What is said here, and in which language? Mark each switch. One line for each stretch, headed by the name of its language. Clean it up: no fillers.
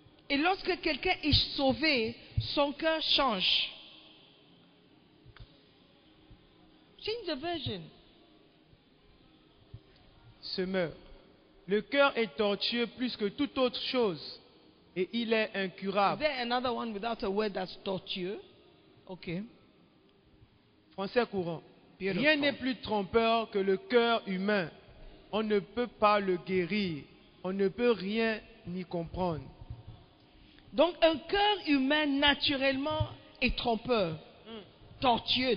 French: Et lorsque quelqu'un est sauvé, son cœur change.
English: Change the version.
French: Se meurt. Le cœur est tortueux plus que toute autre chose. Et il est incurable.
English: Is there another one without a word that's tortueux? Okay.
French: Français courant. Beautiful. Rien n'est plus trompeur que le cœur humain. On ne peut pas le guérir. On ne peut rien ni comprendre. Donc un cœur humain naturellement est trompeur. Tortueux.